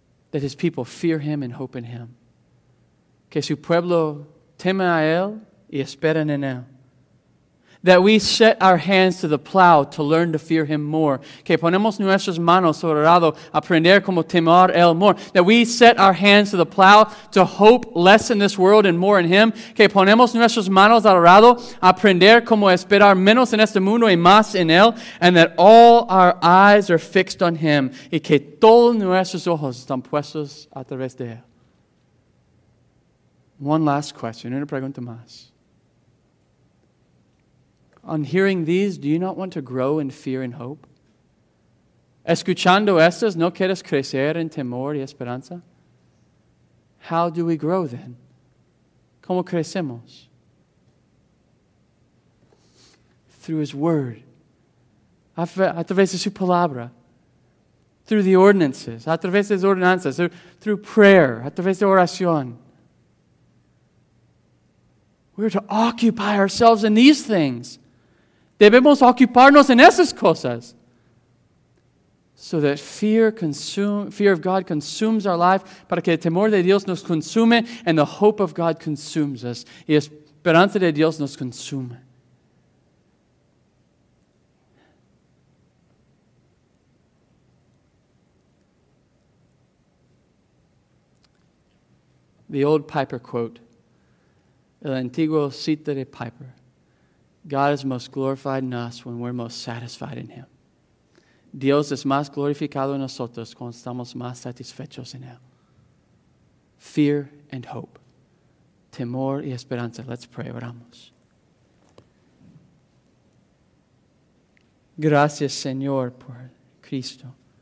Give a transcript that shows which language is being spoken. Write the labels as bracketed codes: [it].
[en] That His people fear Him and hope in Him. [es] Que su pueblo teme a Él y esperan en Él. [en] That we set our hands to the plow to learn to fear Him more. [es] Que ponemos nuestras manos sobre arado a aprender como temer Él more. [en] That we set our hands to the plow to hope less in this world and more in Him. [es] Que ponemos nuestras manos al arado a aprender como esperar menos en este mundo y más en Él. [en] And that all our eyes are fixed on Him. [es] Y que todos nuestros ojos están puestos a través de Él. [en] One last question. [es] Una pregunta más. [en] On hearing these, do you not want to grow in fear and hope? [es] Escuchando estas, ¿no quieres crecer en temor y esperanza? [en] How do we grow then? [es] ¿Cómo crecemos? [en] Through His Word. [es] A través de su palabra. [en] Through the ordinances. [es] A través de las ordenanzas. [en] Through prayer. [es] A través de oración. [en] We're to occupy ourselves in these things. [es] Debemos ocuparnos en esas cosas. [en] So that fear of God consumes our life, [es] para que el temor de Dios nos consume, [en] and the hope of God consumes us. [es] Y esperanza de Dios nos consume. [en] The old Piper quote. [es] El antiguo cita de Piper. [en] God is most glorified in us when we're most satisfied in Him. [es] Dios es más glorificado en nosotros cuando estamos más satisfechos en Él. [en] Fear and hope. [es] Temor y esperanza. [en] Let's pray. Oramos. [es] Gracias, Señor, por Cristo.